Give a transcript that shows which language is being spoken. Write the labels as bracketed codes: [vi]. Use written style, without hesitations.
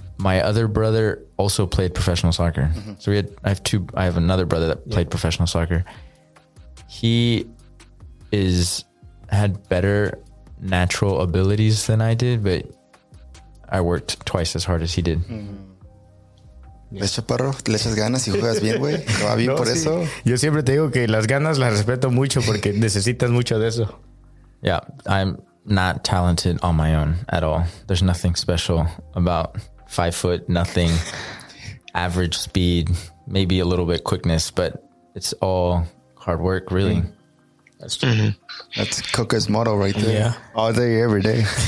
[en] My other brother also played professional soccer. Mm-hmm. So I have another brother that played professional soccer. He had better natural abilities than I did, but I worked twice as hard as he did. [es] Le echo perro, le echas ganas y juegas bien, güey. Va bien por eso. Yo siempre te digo que las ganas las respeto mucho porque necesitas mucho de eso. [en] Yeah, I'm not talented on my own at all. There's nothing special about 5 foot, nothing, average speed, maybe a little bit quickness, but it's all hard work, really. That's true. Mm-hmm. That's Coca's motto right there. Yeah. All day, every day.